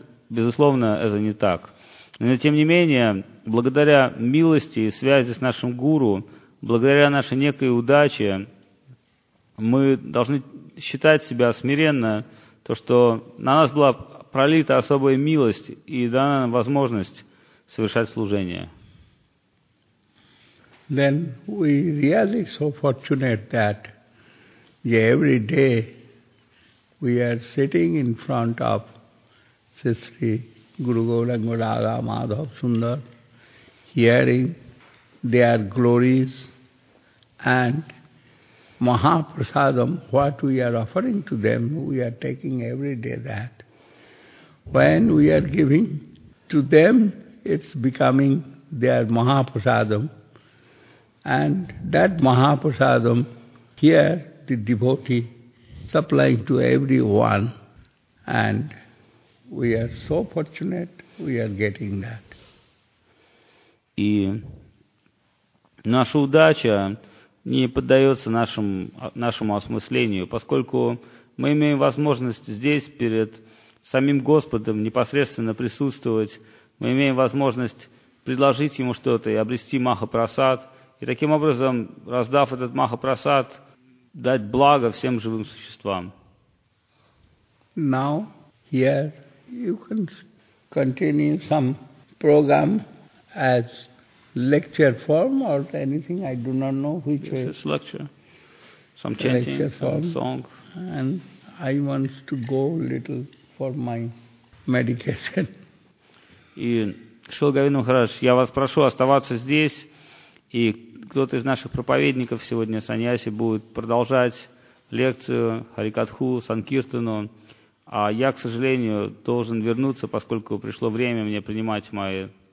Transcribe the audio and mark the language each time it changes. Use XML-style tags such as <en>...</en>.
<ru>Безусловно, это не так. Но тем не менее, благодаря милости и связи с нашим гуру, благодаря нашей некой удаче, мы должны считать себя смиренно, то, что на нас была пролита особая милость и дана нам возможность совершать служение.</ru> <en>Then we really so fortunate that every day we are sitting in front of Sri Guru Gauranga Radha Madhava Sundar, hearing their glories and Mahaprasadam, what we are offering to them, we are taking every day that. When we are giving to them, it's becoming their Mahaprasadam. And that Mahaprasadam, here the devotee supplying to everyone and we are so fortunate, we are getting that.</en> <ru>И наша удача не поддается нашему осмыслению, поскольку мы имеем возможность здесь перед самим Господом непосредственно присутствовать, мы имеем возможность предложить Ему что-то и обрести Махапрасад, и таким образом, раздав этот Махапрасад, дать благо всем живым существам.</ru> <en>Now, here, you can continue some program as lecture form or anything, I do not know which way. Yes, lecture. Some chanting, lecture form, some song. And I want to go a little for my medication.</en> <ru>И Шрила Говинда Махарадж, я вас прошу оставаться здесь, и кто-то из наших проповедников сегодня, саньяси, будет продолжать лекцию Харикатху, Санкиртану. А я, к сожалению, должен вернуться, поскольку пришло время мне принимать мои лекарства. Я не могу долго находиться с вами.</ru>